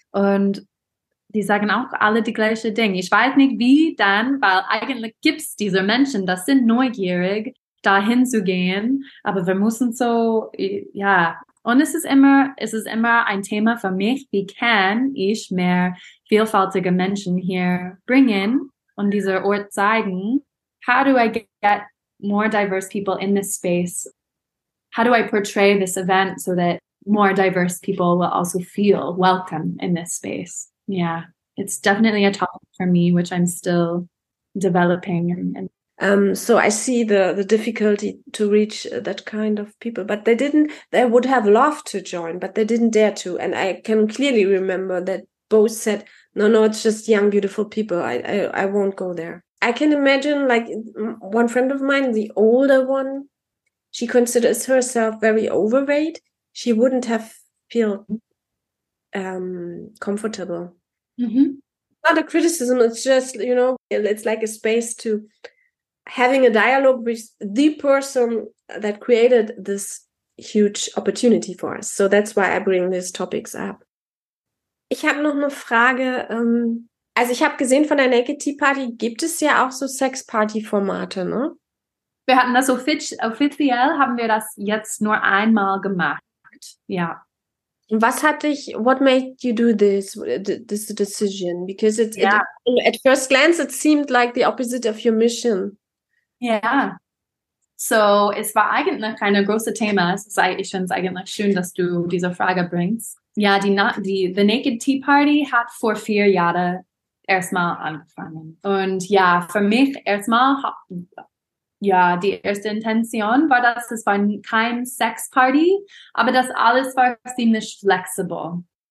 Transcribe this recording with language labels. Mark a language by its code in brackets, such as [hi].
[de] Und die sagen auch alle die gleiche Dinge. Ich weiß nicht, wie dann, weil eigentlich gibt's diese Menschen, das sind neugierig, da hinzugehen. Aber wir müssen so, ja. Und es ist immer ein Thema für mich, wie kann ich mehr vielfältige Menschen hier bringen und dieser Ort zeigen? [en] How do I get more diverse people in this space? How do I portray this event so that more diverse people will also feel welcome in this space? Yeah, it's definitely a topic for me, which I'm still developing. So I see the difficulty to reach that kind of people, but they didn't, they would have loved to join, but they didn't dare to. And I can clearly remember that both said, no, no, it's just young, beautiful people. I won't go there. I can imagine, like, one friend of mine, the older one, she considers herself very overweight, she wouldn't have feel comfortable. Mm-hmm. Not a criticism, it's just, you know, it's like a space to having a dialogue with the person that created this huge opportunity for us. So that's why I bring these topics up. [de] Ich habe noch eine Frage. Also ich habe gesehen, von der Naked Tea Party gibt es ja auch so Sex-Party-Formate, ne? Wir hatten das offiziell, haben wir das jetzt nur einmal gemacht, ja. Was hat dich, [en] what made you do this decision? Because it's, yeah. At first glance, it seemed like the opposite of your mission. [de] Yeah. So es war eigentlich ein großes Thema. Ich finde es eigentlich schön, dass du diese Frage bringst. Ja, the Naked Tea Party hat vor 4 Jahren erstmal angefangen. Und ja, für mich erstmal, ja, die erste Intention war, dass es war kein Sexparty, aber das alles war ziemlich flexibel.